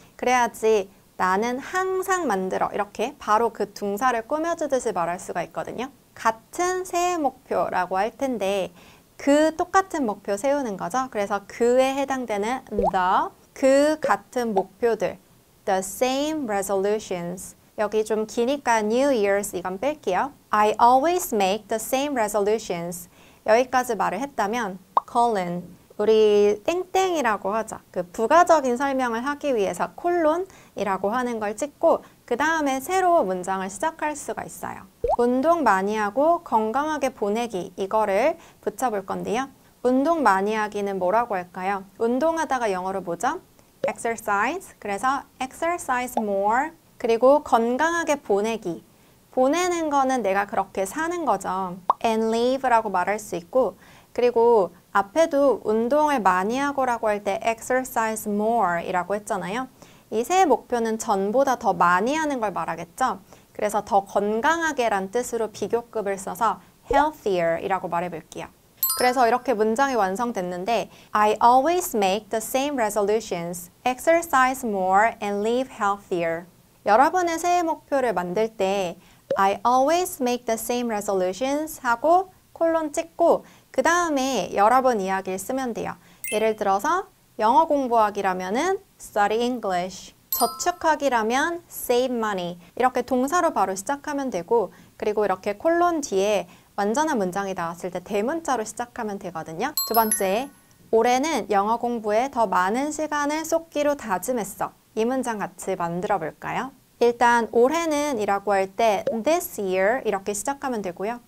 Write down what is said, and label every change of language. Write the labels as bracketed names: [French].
[Korean] 그래야지 나는 항상 만들어. 이렇게 바로 그 동사를 꾸며주듯이 말할 수가 있거든요. 같은 새해 목표라고 할 텐데, 그 똑같은 목표 세우는 거죠. 그래서 그에 해당되는 그 같은 목표들. [English] The same resolutions. [Korean] 여기 좀 기니까 New Year's 이건 뺄게요. [English] I always make the same resolutions. [Korean] 여기까지 말을 했다면, colon. 우리 땡땡이라고 하죠. 그 부가적인 설명을 하기 위해서 콜론이라고 하는 걸 찍고, 그 다음에 새로 문장을 시작할 수가 있어요. 운동 많이 하고 건강하게 보내기 이거를 붙여볼 건데요. 운동 많이 하기는 뭐라고 할까요? 운동하다가 영어로 뭐죠? [English] Exercise. [Korean] 그래서 [English] exercise more. [Korean] 그리고 건강하게 보내기. 보내는 거는 내가 그렇게 사는 거죠. And live라고 말할 수 있고, 그리고 앞에도 운동을 많이 하고라고 할때 [English] exercise more [Korean] 이라고 했잖아요. 이 새해 목표는 전보다 더 많이 하는 걸 말하겠죠? 그래서 더 건강하게란 뜻으로 비교급을 써서 healthier이라고 말해볼게요. 그래서 이렇게 문장이 완성됐는데, [English] I always make the same resolutions, exercise more and live healthier. [Korean] 여러분의 새해 목표를 만들 때, [English] I always make the same resolutions [Korean] 하고 콜론 찍고, 그 다음에 여러분 이야기를 쓰면 돼요. 예를 들어서, 영어 공부하기라면은 [English] study English. [Korean] 저축하기라면 [English] save money. [Korean] 이렇게 동사로 바로 시작하면 되고, 그리고 이렇게 콜론 뒤에 완전한 문장이 나왔을 때 대문자로 시작하면 되거든요. 두 번째, 올해는 영어 공부에 더 많은 시간을 쏟기로 다짐했어. 이 문장 같이 만들어 볼까요? 일단 올해는 이라고 할때 [English] this year [Korean] 이렇게 시작하면 되고요.